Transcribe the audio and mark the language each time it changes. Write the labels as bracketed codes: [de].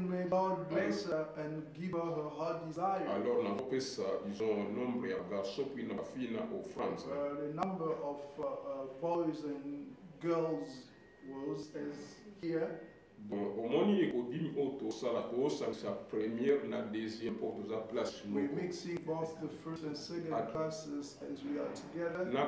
[en] May God bless her and give her her heart desire. [fr] Alors, nous avons fait ça, disons, nombre de garçons puis de filles. [en] The number of boys and girls was as here. We're mixing both the first and second classes as we are together.